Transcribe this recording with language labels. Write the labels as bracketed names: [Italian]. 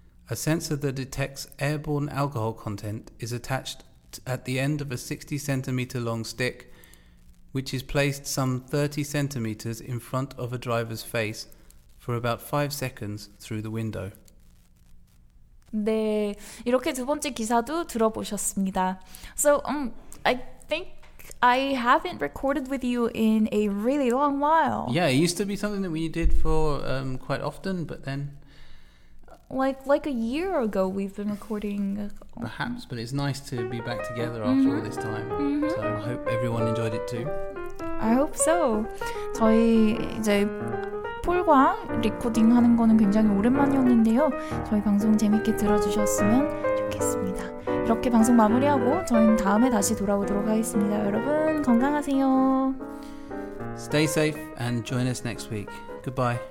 [English] A sensor that detects airborne alcohol content is attached at the end of a 60cm long stick, which is placed some 30cm in front of a driver's face for about 5 seconds through the window. [Korean] 네, 이렇게 두 번째 기사도 들어보셨습니다. [English] So, I think I haven't recorded with you in a really long while. Yeah, it used to be something that we did for quite often, but then... Like a year ago we've been recording. Perhaps, but it's nice to be back together after all this time. So I hope everyone enjoyed it too. I hope so. [Korean] 저희 이제 폴과 리코딩 하는 거는 굉장히 오랜만이었는데요. 저희 방송 재밌게 들어주셨으면 좋겠습니다. 이렇게 방송 마무리하고 저희는 다음에 다시 돌아오도록 하겠습니다. 여러분 건강하세요. [English] Stay safe and join us next week. Goodbye.